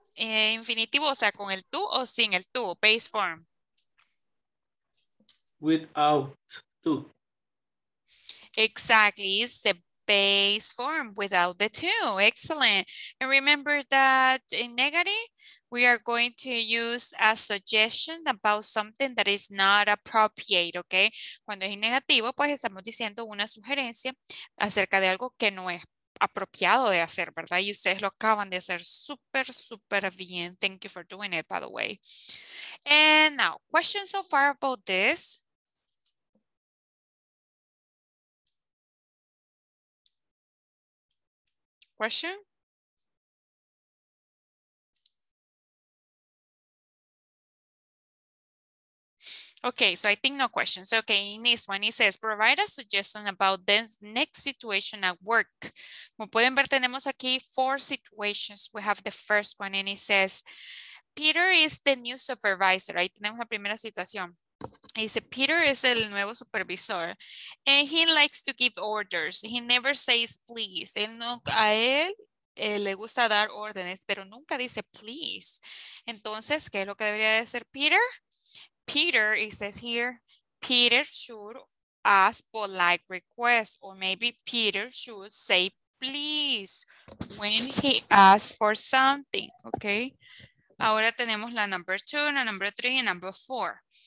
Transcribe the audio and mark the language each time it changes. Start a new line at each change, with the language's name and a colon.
Spanish: Infinitivo, o sea, con el tú o sin el tú, base form.
English: Without tú. Exactly, it's the base form without the two. Excellent. And remember that in negative, we are going to use a suggestion about something that is not appropriate, okay?
Spanish: Cuando es negativo, pues estamos diciendo una sugerencia acerca de algo que no es apropiado de hacer, ¿verdad? Y ustedes lo acaban de hacer súper, súper bien.
English: Thank you for doing it, by the way. And now, questions so far about this. Question? Okay, so I think no questions. Okay, in this one it says, provide a suggestion about this next situation at work.
Spanish: Como pueden ver, tenemos aquí
English: four situations. We have the first one and it says, Peter is the new supervisor.
Spanish: Ahí tenemos la primera situación. Dice, Peter es el nuevo supervisor
English: and he likes to give orders. He never says please.
Spanish: Él no, a él le gusta dar órdenes, pero nunca dice please. Entonces, ¿qué es lo que debería de hacer Peter?
English: Peter, it says here, Peter should ask polite requests, or maybe Peter should say please when he asks for something, okay?
Spanish: Ahora tenemos la number two, la number three,
English: and number four.